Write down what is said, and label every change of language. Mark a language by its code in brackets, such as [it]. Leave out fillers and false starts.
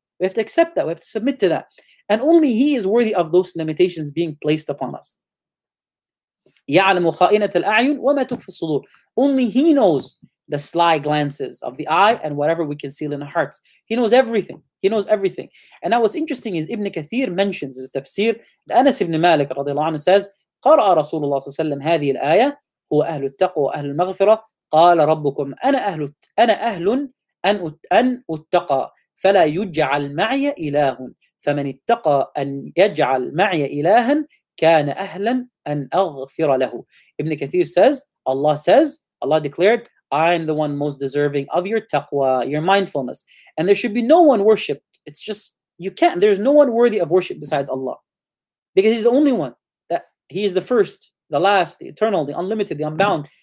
[en] We have to accept that. We have to submit to that. And only He is worthy of those limitations being placed upon us. [ar] يَعْلَمُ خَائِنَةَ الْأَعْيُنِ وَمَا تُخْفِ الصُّدُورِ. [en] Only He knows the sly glances of the eye and whatever we conceal in our hearts. He knows everything. He knows everything. And that was interesting is Ibn Kathir mentions his tafsir. Anas ibn Malik radiallahu anhu says, [ar] قرأ رسول الله صلى الله عليه وسلم هذه الآية هو أهل التقوى وأهل المغفرة قال ربكم أنا أهل أن أتقى فلا يجعل معي إله فمن اتقى أن يجعل معي إلها كان أهلا أن أغفر له. [en] Ibn Kathir says, Allah declared, I am the one most deserving of your taqwa, your mindfulness. And there should be no one worshipped. It's just, you can't. There's no one worthy of worship besides Allah. Because He's the only one. That He is the first, the last, the eternal, the unlimited, the unbound.